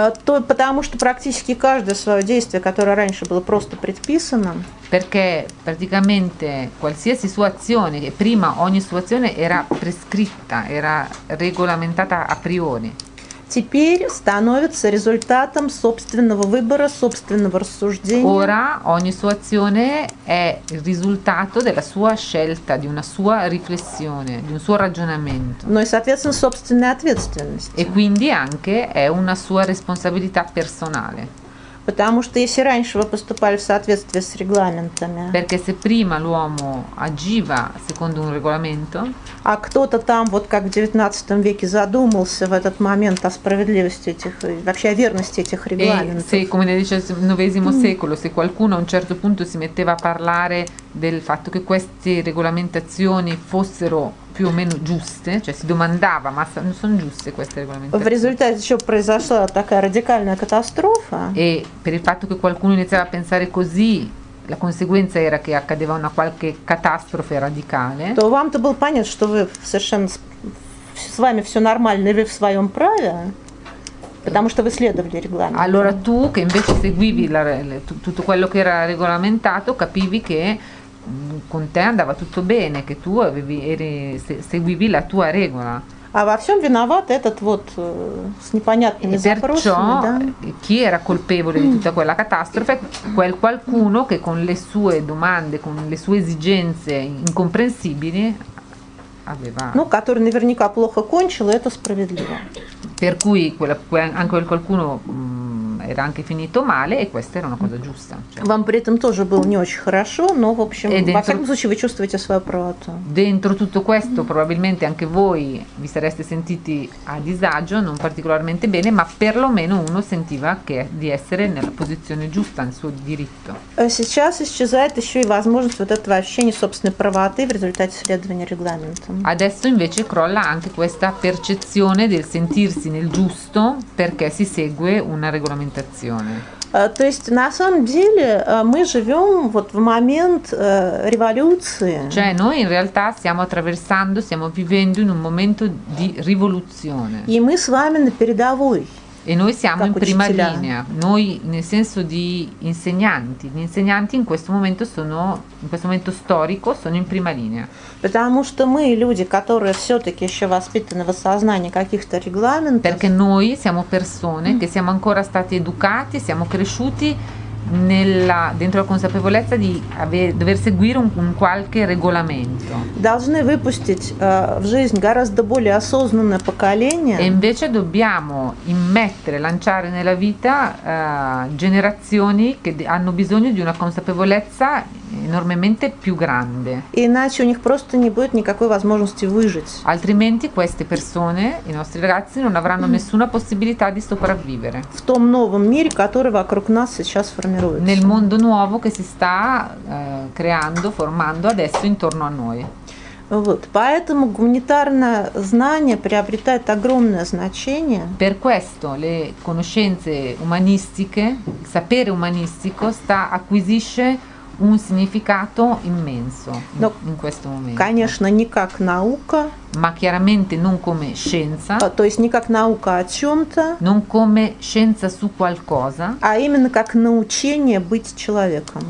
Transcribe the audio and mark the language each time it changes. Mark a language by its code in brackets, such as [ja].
[ru] То потому что практически каждое свое действие, которое раньше было просто предписано. [it] Perché praticamente qualsiasi sua azione, che prima ogni sua azione era prescritta, era regolamentata a priori. [ru] Теперь становится результатом собственного выбора, собственного рассуждения. [it] Ora ogni sua azione è il risultato della sua scelta, di una sua riflessione, di un suo ragionamento. [ru] Но и, соответственно, собственная ответственность. [it] E quindi anche è una sua responsabilità personale. [ru] Потому что если раньше вы поступали в соответствии с регламентами. [it] Perché se prima l'uomo agiva secondo un regolamento. [ru] А кто-то там вот как в 19 веке задумался в этот момент о справедливости этих, вообще о верности этих регламентов. [it] E se come nel XIX secolo se qualcuno a un certo punto si metteva a parlare del fatto che queste regolamentazioni fossero più o meno giuste, cioè si domandava ma sono giuste queste regolamentazioni. [ru] В результате еще произошла такая радикальная катастрофа. [it] E per il fatto che qualcuno iniziava a pensare così, la conseguenza era che accadeva una qualche catastrofe radicale. [ru] То вам-то было понятно, что вы совершенно с вами все нормально, и вы в своем праве. Потому что вы следовали регламенту. [it] Allora tu che invece seguivi tutto quello che era regolamentato, capivi che con te andava tutto bene, che tu avevi seguivi la tua regola. [ru] А во всем виноват этот вот с непонятными [it] e perciò, [ru] запросами, да? [it] Chi era colpevole di tutta quella catastrofe? Quel qualcuno che con le sue domande, con le sue esigenze incomprensibili aveva. [ru] Ну, который наверняка плохо кончил, это справедливо. [it] Per cui anche quel qualcuno era anche finito male e questa era una cosa giusta. [ru] Вам при этом тоже было не очень хорошо, но в общем, во всяком случае, вы чувствуете свою правоту. [it] Dentro tutto questo, probabilmente anche voi vi sareste sentiti a disagio, non particolarmente bene, ma perlomeno uno sentiva che di essere nella posizione giusta, nel suo diritto. [ru] Сейчас исчезает еще и возможность вот этого ощущения собственной правоты в результате следования регламентам. [it] Adesso invece crolla anche questa percezione del sentirsi nel giusto perché si segue una regolamentazione. [ru] То есть на самом деле мы живем вот в момент революции. [it] Cioè noi in realtà stiamo attraversando, stiamo vivendo in un momento di rivoluzione. [ru] И мы с вами на передовой. [it] E noi siamo in prima linea. Noi nel senso di insegnanti. Gli insegnanti in questo momento sono in questo momento storico sono in prima linea. [ru] Потому что мы люди, которые все-таки еще воспитаны в осознании каких-то регламентов. [it] Perché noi siamo persone che siamo ancora stati educati, siamo cresciuti nella dentro la consapevolezza di aver, dover seguire un qualche regolamento. [ru] Должны выпустить в жизнь гораздо более осознанное поколение. [it] E invece dobbiamo immettere, lanciare nella vita generazioni che hanno bisogno di una consapevolezza enormemente più grande. [ru] Иначе у них просто не будет никакой возможности выжить. [it] Altrimenti queste persone, i nostri ragazzi, non avranno nessuna possibilità di sopravvivere. [ru] В том новом мире, который вокруг нас сейчас формируется. [it] Nel mondo nuovo che si sta creando, formando adesso intorno a noi. [ru] Вот, поэтому гуманитарное знание приобретает огромное значение. [it] Per questo le conoscenze umanistiche, il sapere umanistico sta acquisisce un significato immenso in questo momento. [ru] Конечно, не как наука, [it] ma chiaramente non come scienza. [ru] То есть не как наука о чем-то. [it] Non come scienza su qualcosa. [ru] А именно как научение быть человеком.